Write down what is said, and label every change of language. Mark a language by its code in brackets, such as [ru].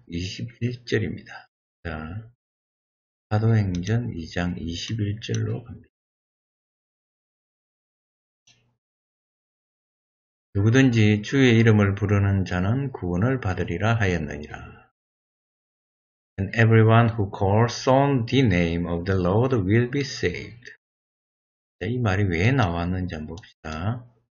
[ko] 21절입니다. 자, 사도행전 2장 21절로 갑니다. 누구든지 주의 이름을 부르는 자는 구원을 받으리라 하였느니라. [en] And everyone who calls on the name of the Lord will be saved. [ko] 자, 이 말이 왜 나왔는지 한번 봅시다.